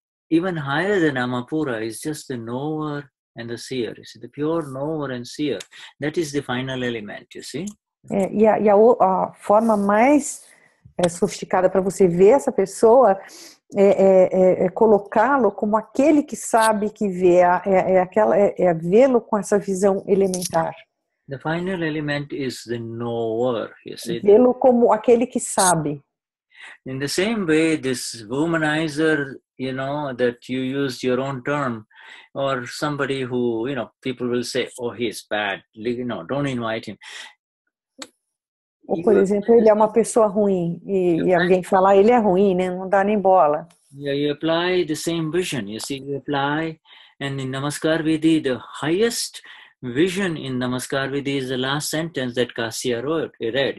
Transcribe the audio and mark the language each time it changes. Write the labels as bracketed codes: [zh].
[en] Even higher than Amapura is just the knower and the seer. You see, the pure knower and seer. That is the final element, you see? [pt] E a forma mais sofisticada para você ver essa pessoa... É colocá-lo como aquele que sabe que vê, vê-lo com essa visão elementar. [en] The final element is the knower, you see? [pt] Vê-lo como aquele que sabe. [en] In the same way, this womanizer, you know, that you use your own term, or somebody who, you know, people will say, oh, he is bad, you know, don't invite him. [pt] Ou, por exemplo, ele é uma pessoa ruim e alguém falar ele é ruim, né? Não dá nem bola. [en] Yeah, you apply the same vision. You see, you apply, and in Namaskar Vidhi, the highest vision in Namaskar Vidhi is the last sentence that Kasia read.